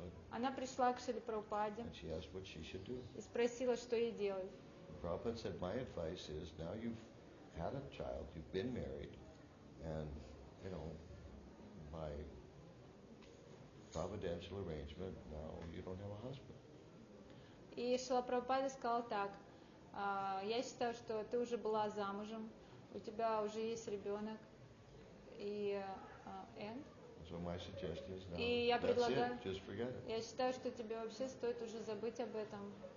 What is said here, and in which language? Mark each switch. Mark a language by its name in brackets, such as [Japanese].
[Russian] Она пришла к Шриле Прабхупаде и спросила, что ей делать. [English] Прабхупада said, my advice is, now you've had a child, you've been married, and, you know, by providential arrangement, now you don't have a husband. [Russian] И Шрила Прабхупада сказал так, я считаю, что ты уже была замужем, у тебя уже есть ребенок, и я считаю, что тебе вообще стоит уже забыть об этом.